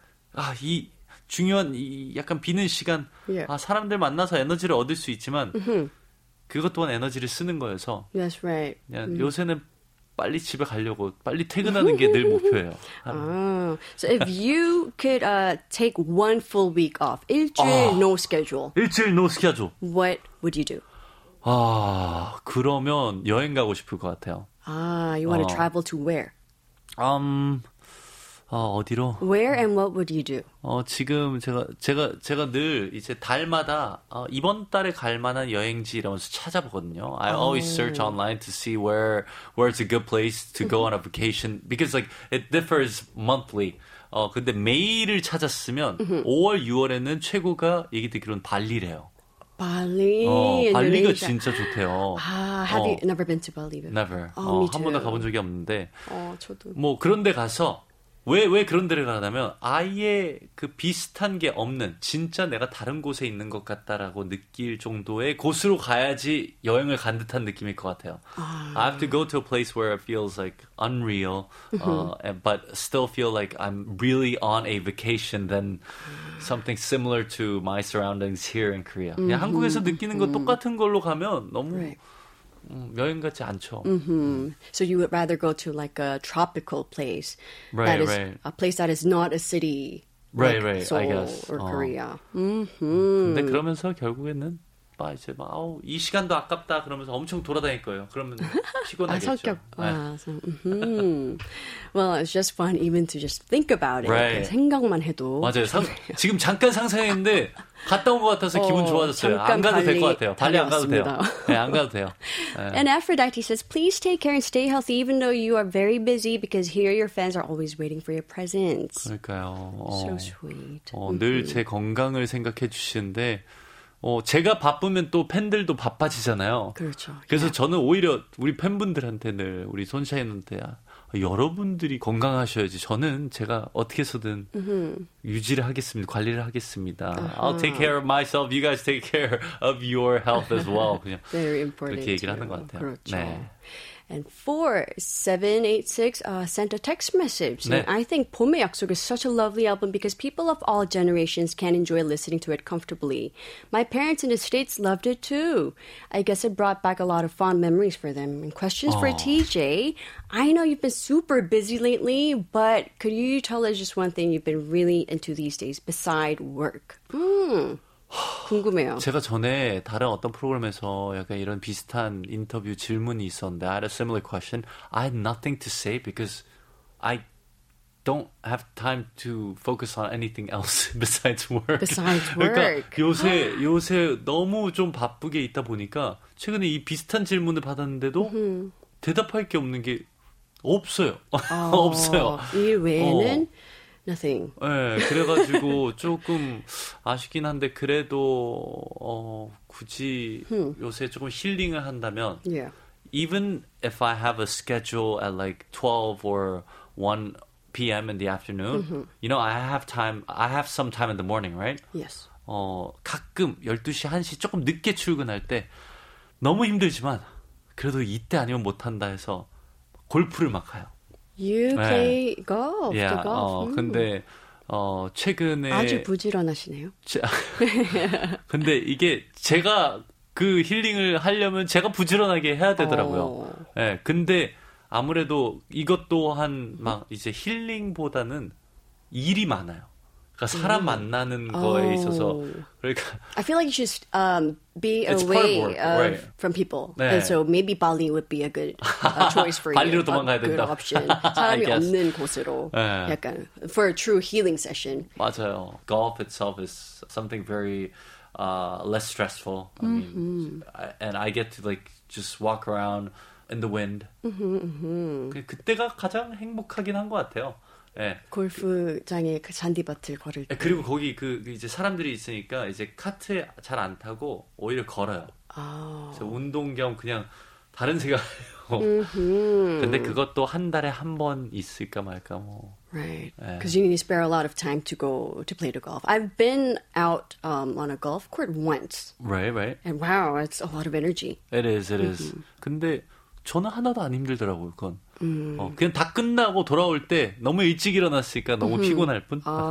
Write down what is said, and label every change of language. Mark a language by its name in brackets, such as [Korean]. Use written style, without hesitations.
[Korean] 그냥 이 중요한 이 약간 비는 시간 사람들 만나서 에너지를 얻을 수 있지만 그것 또한 에너지를 쓰는 거여서 [English] That's right. [Korean] 그냥 요새는 빨리 집에 가려고 빨리 퇴근하는 게 늘 목표예요. [English] So if you could take one full week off, [Korean] 일주일 [English] no schedule. [Korean] 일주일 [English] no schedule. What would you do? [Korean] 아, 그러면 여행 가고 싶을 것 같아요. [English] You want to travel to where? [Korean] 어디로? [English] Where and what would you do? [Korean] 지금 제가 늘 이제 달마다 이번 달에 갈 만한 여행지 이러면서 찾아보거든요. [English] I always search online to see where's a good place to go on a vacation because like it differs monthly. [Korean] 근데 메이를 찾았으면 5월 6월에는 최고가 얘기 듣기로는 발리래요. 발리. 발리가 Indonesia. 진짜 좋대요. [English] Have you never been to Bali? Never. Me too. [Korean] 한 번도 가본 적이 없는데. 저도. 뭐 그런데 가서 왜 그런 데를 가냐면 아예 그 비슷한 게 없는 진짜 내가 다른 곳에 있는 것 같다라고 느낄 정도의 곳으로 가야지 여행을 간 듯한 느낌일 것 같아요. [English] I have to go to a place where it feels like unreal, but still feel like I'm really on a vacation than something similar to my surroundings here in Korea. [Korean] 그냥 한국에서 느끼는 거 똑같은 걸로 가면 너무 여행 같지 않죠. [English] So you would rather go to like a tropical place, right, that is right. a place that is not a city, right, like right, Seoul I guess. or Korea. [Korean] 근데 그러면서 결국에는 막 이제 막 아우 이 시간도 아깝다 그러면서 엄청 돌아다닐 거예요. 그러면 피곤하겠죠. 아, 성격. 네. [English] 아, so, Well, it's just fun even to just think about it. Right. [Korean] 생각만 해도 맞아요. 지금 잠깐 상상했는데. 갔다 온 것 같아서 기분 좋아졌어요. 안 가도 될 것 같아요. 발리 안 가도 돼요. 네, 안 가도 돼요. 네. [English] And Aphrodite says, please take care and stay healthy even though you are very busy because here your fans are always waiting for your presence. [Korean] 그러니까요. [English] So sweet. [Korean] 늘 제 건강을 생각해 주시는데 제가 바쁘면 또 팬들도 바빠지잖아요. 그렇죠. 그래서 저는 오히려 우리 팬분들한테 늘 우리 손샤인한테 여러분들이 건강하셔야지 저는 제가 어떻게 해서든 유지를 하겠습니다. 관리를 하겠습니다. [English] I'll take care of myself. You guys take care of your health as well. [Korean] 그냥 [English] Very important [Korean] 그렇게 얘기를 하는 것 같아요. 그렇죠. 네. [English] And 4786 sent a text message. [Korean] 네. [English] And I think 봄의 약속 is such a lovely album because people of all generations can enjoy listening to it comfortably. My parents in the States loved it too. I guess it brought back a lot of fond memories for them. And questions for TJ. I know you've been super busy lately, but could you tell us just one thing you've been really into these days besides work? [Korean] 궁금해요. 제가 전에 다른 어떤 프로그램에서 약간 이런 비슷한 인터뷰 질문이 있었는데 [English] I had a similar question. I had nothing to say because I don't have time to focus on anything else besides work. Besides work. [Korean] 그러니까 요새 너무 좀 바쁘게 있다 보니까 최근에 이 비슷한 질문을 받았는데도 대답할 게 없는 게 없어요. 없어요. 일 외에는 [English] nothing. [Korean] 네, 그래가지고 조금 아쉽긴 한데 그래도 굳이 요새 조금 힐링을 한다면 [English] even if I have a schedule at like 12 or 1 p.m. in the afternoon, you know, I have time, I have some time in the morning, right? Yes. [Korean] 가끔 12시, 1시 조금 늦게 출근할 때 너무 힘들지만 그래도 이때 아니면 못한다 해서 골프를 막 가요. [English] You play golf. Yeah. The golf. [Korean] 근데 최근에 아주 부지런하시네요. 근데 이게 제가 그 힐링을 하려면 제가 부지런하게 해야 되더라고요. 예. 근데 아무래도 이것 또한 막 이제 힐링보다는 일이 많아요. 그러니까 사람 만나는 거에 있어서 그러니까 [English] I feel like you should be away from people. [Korean] 네. [English] And so maybe Bali would be a good choice for you. [Korean] 발리로 도망가야 된다. [English] Good option. [Korean] 사람이 없는 곳으로 네. 약간 [English] for a true healing session. [Korean] 맞아요. [English] Golf itself is something very less stressful. And I get to like just walk around in the wind. [Korean] 그때가 가장 행복하긴 한 것 같아요. 예. 골프장에 그 잔디밭을 걸을 때. 그리고 거기 그 이제 사람들이 있으니까 이제 카트 잘 안 타고 오히려 걸어요. 아. 그래서 운동 겸 그냥 다른 생각해요. 근데 그것도 한 달에 한 번 있을까 말까 뭐. [English] Right. [Korean] 예. [English] Cuz you need to spare a lot of time to go to play the golf. I've been out on a golf court once. Right, right. And wow, it's a lot of energy. It is. It is. [Korean] 근데 저는 하나도 안 힘들더라고요, 그건. 그냥 다 끝나고 돌아올 때 너무 일찍 일어났으니까 너무 피곤할 뿐.